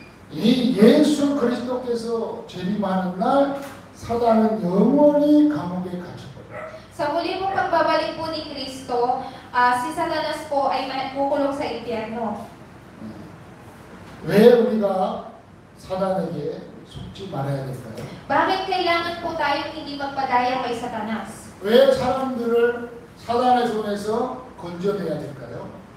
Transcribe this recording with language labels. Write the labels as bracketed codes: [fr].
[ko] 이 예수 그리스도께서 재림하는 날. 사단은 영원히 감옥에 갇혀버려. [tl] 사 muli pong pagbabalik po ni Kristo, si Satanas po ay mapukulong sa impyerno. [ko] 왜 우리가 사단에게 속지 말아야 될까요? [tl] Bakit kailangan po tayong hindi magpadaya kay Satanas? [ko] 왜 사람들을 사단의 손에서 건져내야 될까요?